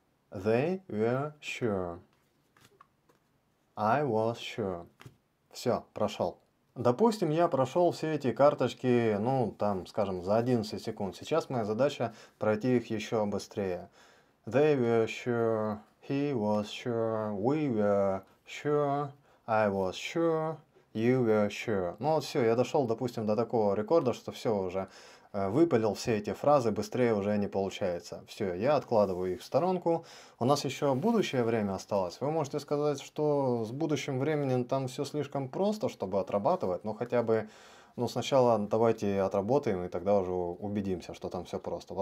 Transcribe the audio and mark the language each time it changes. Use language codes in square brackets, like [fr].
[en] They were sure. I was sure. [ru] Все, прошел. Допустим, я прошел все эти карточки, ну, там, скажем, за 11 секунд. Сейчас моя задача пройти их еще быстрее. [en] They were sure, he was sure, we were sure, I was sure, you were sure. [ru] Ну, вот все, я дошел, допустим, до такого рекорда, что все уже выпалил все эти фразы, быстрее уже не получается. Все, я откладываю их в сторонку. У нас еще будущее время осталось. Вы можете сказать, что с будущим временем там все слишком просто, чтобы отрабатывать, но хотя бы, ну, сначала давайте отработаем, и тогда уже убедимся, что там все просто.